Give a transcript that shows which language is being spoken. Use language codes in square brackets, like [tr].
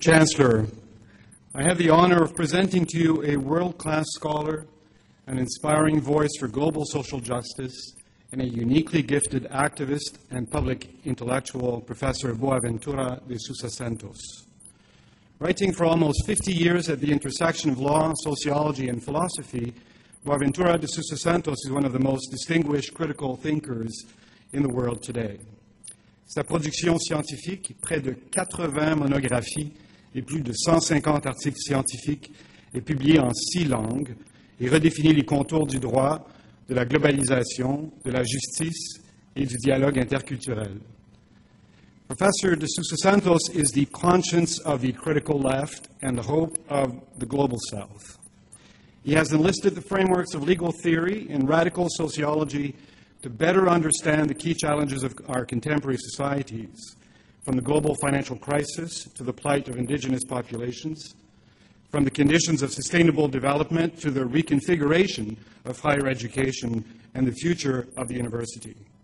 [en] Chancellor, I have the honor of presenting to you a world-class scholar, an inspiring voice for global social justice, and a uniquely gifted activist and public intellectual, Professor Boaventura de Souza Santos. Writing for almost 50 years at the intersection of law, sociology, and philosophy, Boaventura de Souza Santos is one of the most distinguished critical thinkers in the world today. [fr] Sa production scientifique, près de 80 monographies et plus de 150 articles scientifiques, est publiée en 6 langues et redéfinit les contours du droit, de la globalisation, de la justice et du dialogue interculturel. [en] Professor de Souza Santos is the conscience of the critical left and the hope of the global south. He has enlisted the frameworks of legal theory and radical sociology to better understand the key challenges of our contemporary societies, from the global financial crisis to the plight of indigenous populations, from the conditions of sustainable development to the reconfiguration of higher education and the future of the university.